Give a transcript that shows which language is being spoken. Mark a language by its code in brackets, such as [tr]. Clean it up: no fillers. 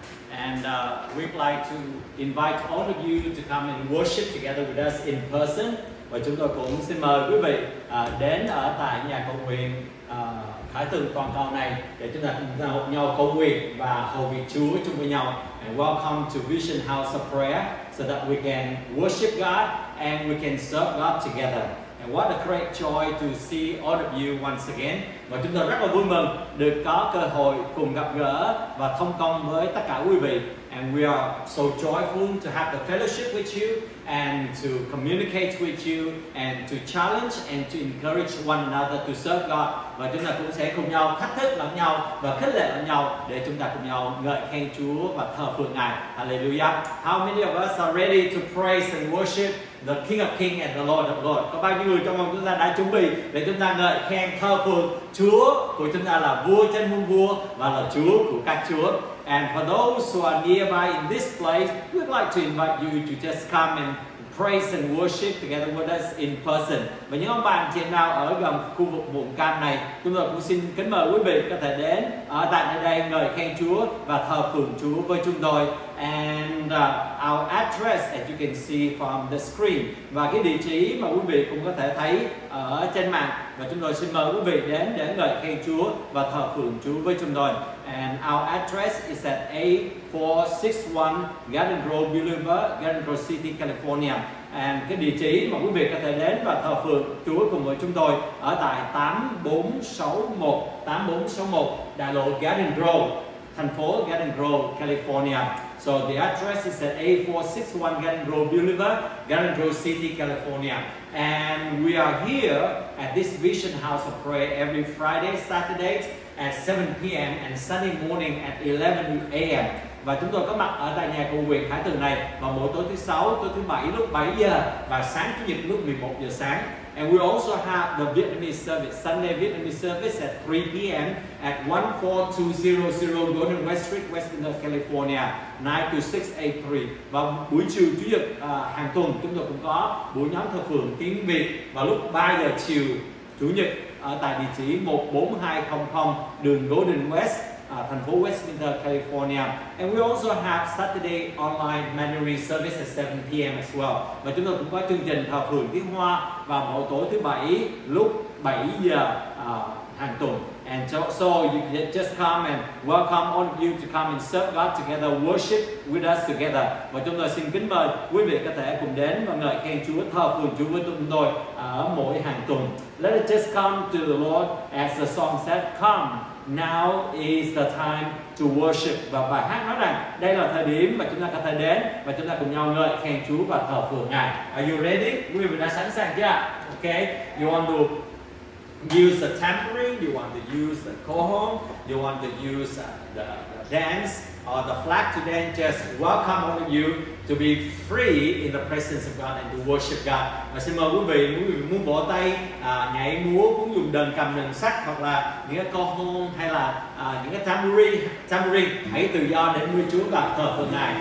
[en] And we'd like to invite all of you to come and worship together with us in person. [vi] Và chúng tôi cũng xin mời quý vị đến ở tại nhà cầu nguyện Khải Tường toàn cầu này, để chúng ta cùng nhau cầu nguyện và hầu việc Chúa chung với nhau. [en] And welcome to Vision House of Prayer, so that we can worship God and we can serve God together. And what a great joy to see all of you once again. [vi] Và chúng tôi rất là vui mừng được có cơ hội cùng gặp gỡ và thông công với tất cả quý vị. [en] And we are so joyful to have the fellowship with you and to communicate with you and to challenge and to encourage one another to serve God. [vi] Và chúng ta cũng sẽ cùng nhau thách thức lẫn nhau và khích lệ lẫn nhau, để chúng ta cùng nhau ngợi khen Chúa và thờ phượng Ngài. [en] Hallelujah. How many of us are ready to praise and worship the King of Kings and the Lord of Lords? [vi] Có bao nhiêu người trong lòng chúng ta đã chuẩn bị để chúng ta ngợi khen thờ phượng Chúa của chúng ta, là vua trên muôn vua và là Chúa của các chúa? [en] And for those who are nearby in this place, we'd like to invite you to just come and praise and worship together with us in person. [vi] Và những ông bạn chị nào ở gần khu vực Mụn Cam này, chúng tôi cũng xin kính mời quý vị có thể đến ở tại đây ngợi khen Chúa và thờ phượng Chúa với chúng tôi. [en] And our address, as you can see from the screen. [vi] Và cái địa chỉ mà quý vị cũng có thể thấy ở trên mạng. Và chúng tôi xin mời quý vị đến để ngợi khen Chúa và thờ phượng Chúa với chúng tôi. [en] And our address is at 8461 Garden Grove Boulevard, Garden Grove City, California. [vi] And cái địa chỉ mà quý vị có thể đến và thờ phượng Chúa cùng với chúng tôi ở tại 8461 Đại lộ Garden Grove, thành phố Garden Grove, California. [en] So the address is at 8461 Garden Grove Boulevard, Garden Grove City, California. And we are here at this Vision House of Prayer every Friday, Saturday at 7 p.m. and Sunday morning at 11 a.m. [vi] Và chúng tôi có mặt ở tại nhà cầu nguyện Khải Tường này vào mỗi tối thứ 6, tối thứ 7 lúc 7 giờ và sáng Chủ nhật lúc 11 giờ sáng. [en] And we also have the Vietnamese service, Sunday Vietnamese service at 3 p.m. at 14200 Golden West Street, Western California, 92683. [vi] Và buổi chiều Chủ nhật hàng tuần chúng tôi cũng có buổi nhóm thờ phượng tiếng Việt vào lúc 3 giờ chiều Chủ nhật ở tại địa chỉ 14200 đường Golden West, thành phố Westminster, California. [en] And we also have Saturday online mentoring service at 7 p.m. as well. [vi] Và chúng tôi cũng có chương trình thờ phượng tiếng Hoa vào mỗi tối thứ bảy lúc 7 giờ hàng tuần. [en] And so you can just come and welcome all of you to come and serve God together, worship with us together. [vi] Và chúng tôi xin kính mời quý vị có thể cùng đến và ngợi khen Chúa, thờ phượng Chúa với chúng tôi ở mỗi hàng tuần. [en] Let us just come to the Lord as the song said, come. Now is the time to worship. [vi] Và bài hát nói rằng đây là thời điểm mà chúng ta có thể đến và chúng ta cùng nhau ngợi khen Chúa và thờ phượng Ngài. [en] Are you ready? [vi] Quý vị đã sẵn sàng chưa? [en] Okay. You want to use the tambourine, you want to use the cajon, you want to use the dance or the flag today, just welcome all of you to be free in the presence of God and to worship God. [vi] Và xin mời quý vị muốn bỏ tay, nhảy múa, muốn dùng đờn cầm, đờn sắt hoặc là những cái cajon hay là những cái tambourine, hãy tự do để nuôi Chúa và thờ phượng Ngài.